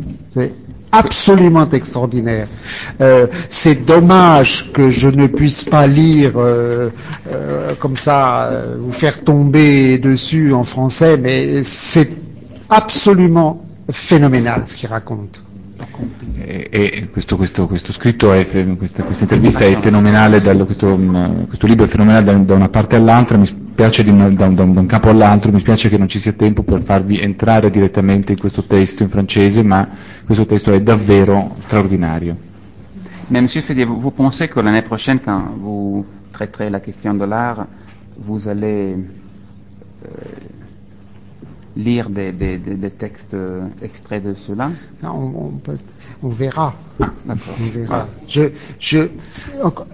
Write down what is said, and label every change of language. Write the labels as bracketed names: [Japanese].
[French] C'est absolument extraordinaire. C'est dommage que je ne puisse pas lire comme ça, vous faire tomber dessus en français, mais c'est absolument phénoménal ce qu'il raconte. [Italian] E questo scritto è questa intervista è fenomenale, questo libro è fenomenale da una parte all'altra, mi spiace da un capo all'altro, mi spiace che non ci sia tempo per farvi entrare direttamente in questo testo in francese, ma questo testo è davvero straordinario. [French] Mais monsieur Fédier, vous pensez que l'année prochaine, quand vous traiterez la question de l'art, vous allez lire des textes extraits de cela? Non, on verra. Ah, d'accord. On verra. Voilà.